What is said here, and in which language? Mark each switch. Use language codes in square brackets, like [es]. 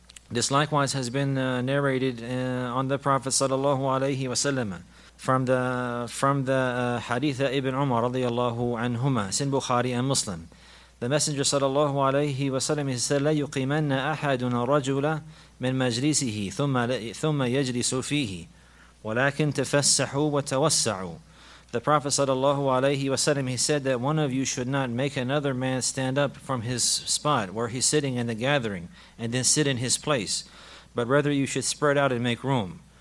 [en] This likewise has been narrated on the Prophet sallallahu alayhi wa sallam from the Hadith Ibn Umar radiyallahu anhuma, Sin Bukhari and Muslim. The Messenger sallallahu alayhi wa sallam said, [ar] لا يقيمن أحد رجلا من مجلسه ثم يجلس فيه ولكن تفسحوا وتوسعوا. [en] The Prophet sallallahu alayhi wa sallam, he said that one of you should not make another man stand up from his spot where he's sitting in the gathering and then sit in his place, but rather you should spread out and make room.